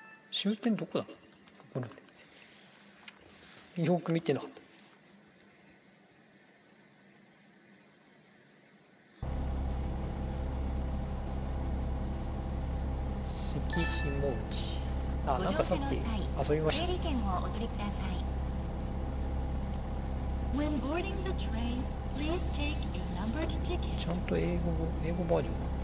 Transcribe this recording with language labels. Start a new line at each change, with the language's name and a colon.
Japanese: 終点どこだ？ここに。よく見てなかった。関下内。あ、なんかさっき遊びました。整理券をお取りください。
English: When boarding the train, please take a numbered ticket.
Japanese: ちゃんと英語バージョン。